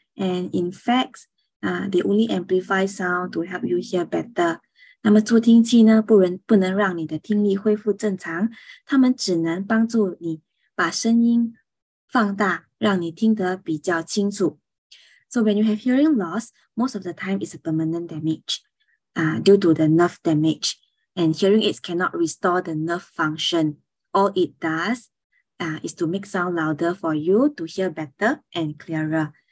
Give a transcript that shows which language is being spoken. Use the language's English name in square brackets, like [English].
[English] And in fact, they only amplify sound to help you hear better. [Chinese] 那么助听器呢，不能让你的听力恢复正常，它们只能帮助你把声音放大，让你听得比较清楚。 [English] So when you have hearing loss, most of the time it's a permanent damage, due to the nerve damage. And hearing aids cannot restore the nerve function. All it does, is to make sound louder for you to hear better and clearer.